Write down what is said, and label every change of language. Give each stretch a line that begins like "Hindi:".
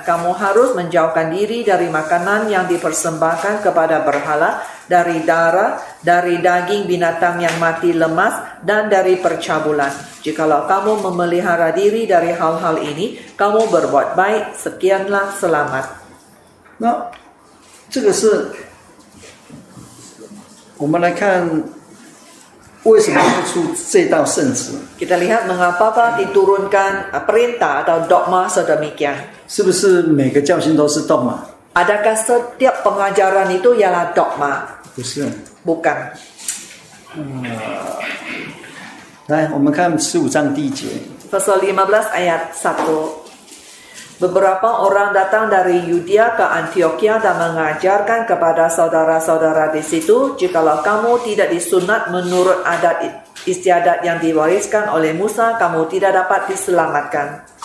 Malay: Kamu harus menjauhkan diri dari makanan yang dipersembahkan kepada berhala, dari darah, dari daging binatang yang mati lemas, dan dari percabulan. Jikalau kamu memelihara diri dari hal-hal ini, kamu berbuat baik, sekianlah selamat.
Chinese: Nah, 这个是我们来看为什么出这道圣旨。
Malay: Kita lihat mengapa diturunkan perintah atau dogma sedemikian。
Chinese: 是不是每个教训都是 dogma？
Malay: Adakah setiap pengajaran itu ialah dogma？
Chinese: 不是。
Malay: Bukan。
Chinese: 来，我们看15章第一节。
Malay: Pasal 15 ayat 1。 Beberapa orang datang dari Yudea ke Antioquia dan mengajarkan kepada saudara-saudara di situ, jikalau kamu tidak disunat menurut adat istiadat yang diwariskan oleh Musa, kamu tidak dapat diselamatkan.